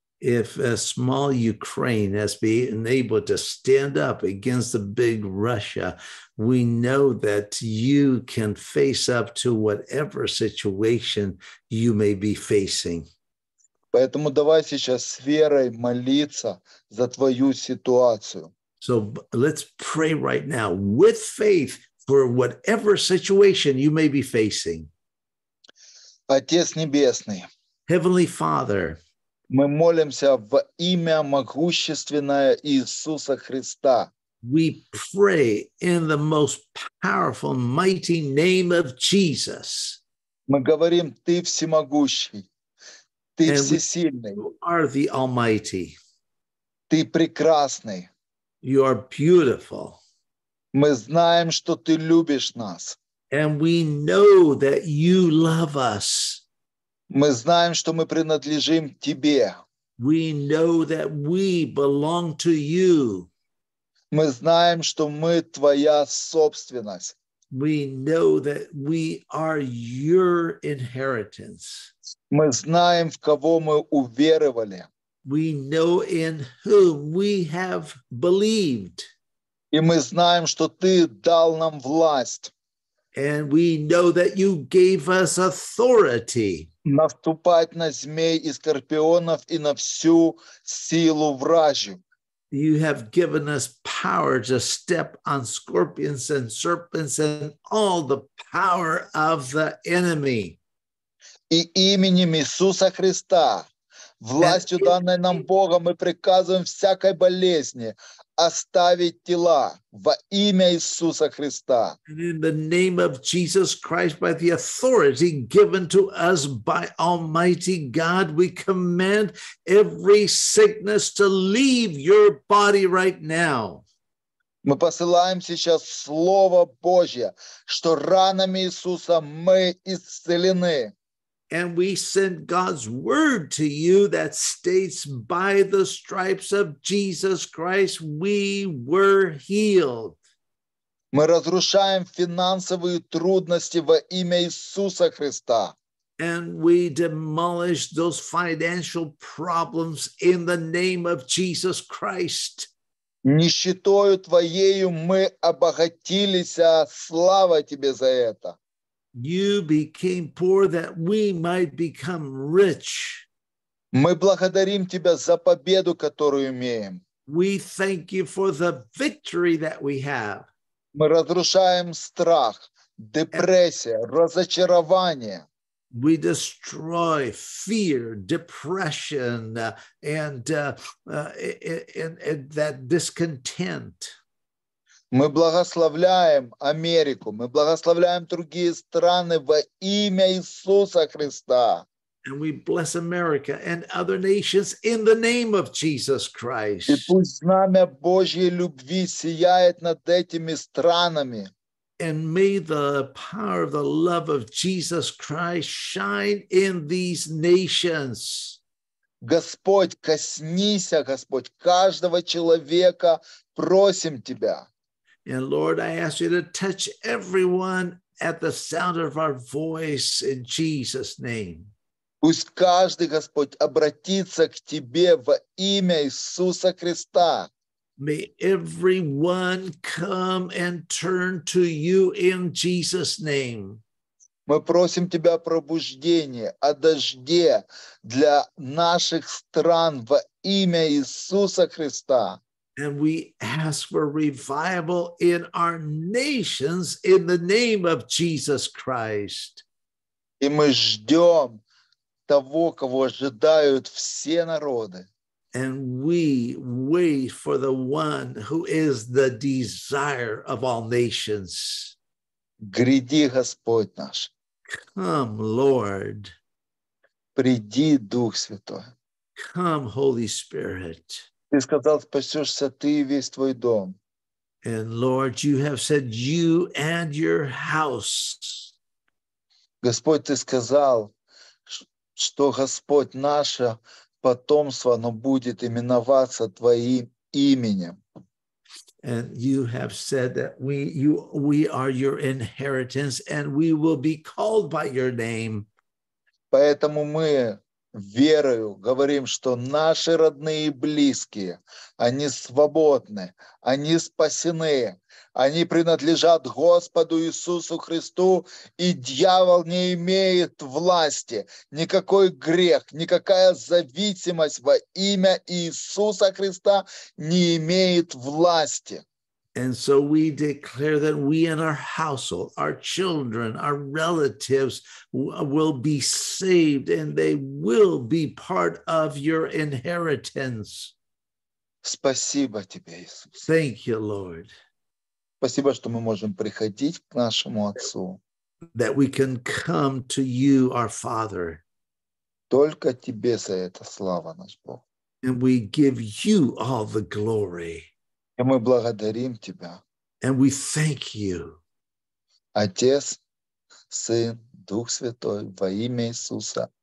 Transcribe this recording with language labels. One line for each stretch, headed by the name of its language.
English: If a small Ukraine has been able to stand up against the big Russia, we know that you can face up to whatever situation you may be facing.
Russian: Поэтому давай сейчас с верой молиться за твою ситуацию.
English: So let's pray right now with faith for whatever situation you may be facing.
Russian: Отец Небесный.
English: Heavenly Father.
Russian: Мы молимся во имя могущественное Иисуса Христа.
English: We pray in the most powerful, mighty name of Jesus.
Russian: Мы говорим, Ты всемогущий, Ты
English: And
Russian: всесильный.
English: You are the Almighty.
Russian: Ты прекрасный.
English: You are beautiful.
Russian: Мы знаем, что Ты любишь нас.
English: And we know that You love us.
Russian: Мы знаем, что мы принадлежим Тебе.
English: We know that we belong to You.
Russian: Мы знаем, что мы Твоя собственность.
English: We know that we are Your inheritance.
Russian: Мы знаем, в кого мы уверовали.
English: We know in whom we have believed.
Russian: И мы знаем, что Ты дал нам власть.
English: And we know that You gave us authority.
Russian: Наступать на змей и скорпионов и на всю силу вражью.
English: You have given us power to step on scorpions and serpents and all the power of the enemy.
Russian: И именем Иисуса Христа, властью данной нам Богом, мы приказываем всякой болезни оставить тела во имя Иисуса Христа.
English: And in the name of Jesus Christ, by the authority given to us by Almighty God, we command every sickness to leave your body right now.
Russian: Мы посылаем сейчас Слово Божье, что ранами Иисуса мы исцелены.
English: And we send God's word to you that states, by the stripes of Jesus Christ, we were healed.
Russian: Мы разрушаем финансовые трудности во имя Иисуса Христа.
English: And we demolish those financial problems in the name of Jesus Christ.
Russian: Нищетою твоею мы обогатились, а слава тебе за это.
English: You became poor that we might become rich.
Russian: Мы благодарим Тебя за победу, которую имеем.
English: We thank You for the victory that we have.
Russian: Мы разрушаем страх, депрессия, разочарование.
English: We destroy fear, depression, and that discontent.
Russian: Мы благословляем Америку, мы благословляем другие страны во имя Иисуса Христа.
English: And we bless America and other nations in the name of Jesus Christ.
Russian: И пусть знамя Божьей любви сияет над этими странами.
English: And may the power of the love of Jesus Christ shine in these nations.
Russian: Господь, коснись, Господь, каждого человека, просим Тебя.
English: And Lord, I ask You to touch everyone at the sound of our voice in Jesus' name.
Russian: Пусть каждый, Господь, обратится к Тебе во имя Иисуса Христа.
English: May everyone come and turn to You in Jesus' name.
Russian: Мы просим Тебя о пробуждении, о дожде для наших стран во имя Иисуса Христа.
English: And we ask for revival in our nations in the name of Jesus Christ.
Russian: И мы ждем того, кого ожидают все народы.
English: And we wait for the one who is the desire of all nations.
Russian: Гряди, Господь наш.
English: Come, Lord.
Russian: Приди, Дух Святой.
English: Come, Holy Spirit.
Russian: Ты сказал, спасешься ты и весь твой дом.
English: And Lord, you have said you and your house.
Russian: Господь, ты сказал, что Господь наше потомство, оно будет именоваться твоим именем.
English: And you have said that we are your inheritance and we will be called by your name.
Russian: Поэтому мы верою говорим, что наши родные и близкие, они свободны, они спасены, они принадлежат Господу Иисусу Христу, и дьявол не имеет власти, никакой грех, никакая зависимость во имя Иисуса Христа не имеет власти.
English: And so we declare that we and our household, our children, our relatives will be saved and they will be part of your inheritance.
Russian: Спасибо тебе, Иисус.
English: Thank you, Lord.
Russian: Спасибо, что мы можем приходить к нашему Отцу.
English: That we can come to you, our Father.
Russian: Только тебе за это слава, наш Бог.
English: And we give you all the glory.
Russian: И мы благодарим Тебя.
English: And we thank you.
Russian: Отец, Сын, Дух Святой, во имя Иисуса.